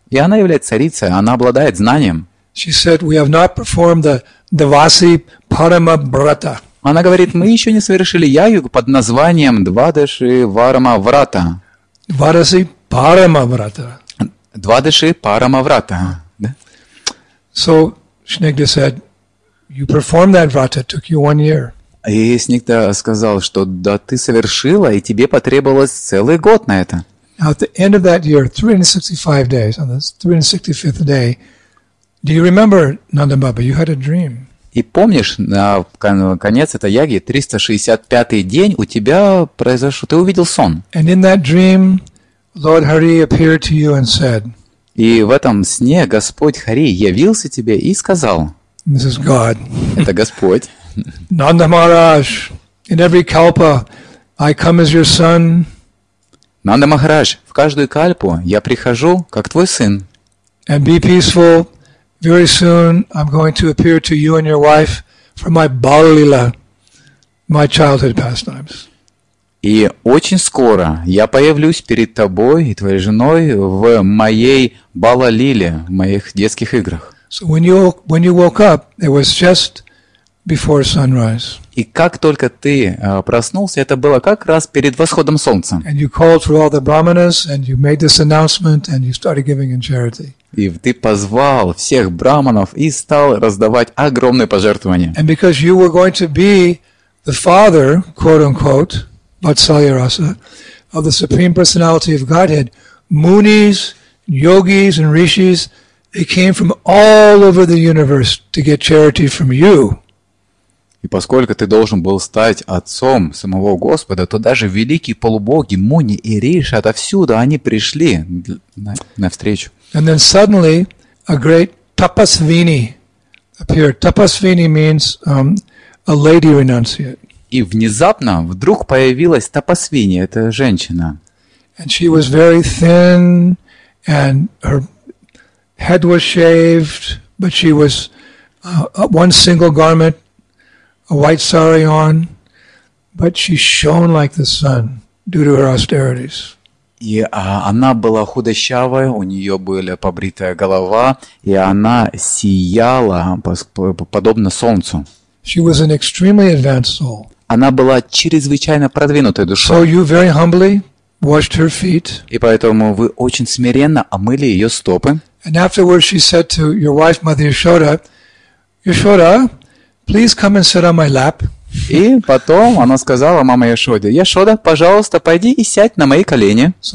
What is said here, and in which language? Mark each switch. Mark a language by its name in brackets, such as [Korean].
[Russian] И она является царицей, она обладает знанием. [English] She said, we have not performed the Devasi Parama Brata. [Russian] Она говорит, мы еще не совершили ягью под названием Двадаши Варама Врата. Двадаши Парама Врата. Двадаши Парама Врата. [English] So Снигда said, you performed that vrata, took you one year. [Russian] И Снигда сказал, что да, ты совершила, и тебе потребовалось целый год на это. [English] Now, at the end of that year, 365 days, on the 365th day, do you remember, Nanda Baba, you had a dream? [Russian] И помнишь, на конец этой яги, 365-й день, у тебя произошло, ты увидел сон. [English] And in that dream, Lord Hari appeared to you and said, [Russian] и в этом сне Господь Хари явился тебе и сказал, [English] this is God. [Russian] Это Господь. [English] Nanda Maharaj, in every kalpa, I come as your son. [Russian] Nanda Maharaj, в каждую кальпу я прихожу, как твой сын. [English] And be peaceful. Very soon I'm going to appear to you and your wife for my Balila, my childhood pastimes. [Russian] И очень скоро я появлюсь перед тобой и твоей женой в моей Балалиле, в моих детских играх. [English] So when you woke up, it was just before sunrise. [Russian] И как только ты проснулся, это было как раз перед восходом солнца. [English] And you called for all the brahmanas and you made this announcement and you started giving in charity. [Russian] И ты позвал всех браманов и стал раздавать огромные пожертвования. [English] And because you were going to be the father, quote unquote, Vatsalya Rasa, of the Supreme Personality of Godhead, munis, yogis, and rishis, they came from all over the universe to get charity from you. [Russian] И поскольку ты должен был стать отцом самого Господа, то даже великие полубоги, муни и риши отовсюду, они пришли навстречу. [English] And then suddenly a great tapasvini appeared. Tapasvini means a lady renunciate. [Russian] И внезапно вдруг появилась тапасвини, это женщина. [English] And she was very thin and her head was shaved, but she was one single garment, a white sari on, but she shone like the sun. due to her austerities. [Russian] И она была худощавая, у нее была побритая голова, и она сияла подобно солнцу. [English] She was an extremely advanced soul. [Russian] Она была чрезвычайно продвинутой душой. [English] So you very humbly washed her feet. [Russian] И поэтому вы очень смиренно омыли ее стопы. [English] And afterwards she said to your wife, Mother Yashoda, Yashoda, please come and sit on my lap. [Russian] И потом она сказала маме Яшоде: «Яшода, пожалуйста, пойди и сядь на мои колени».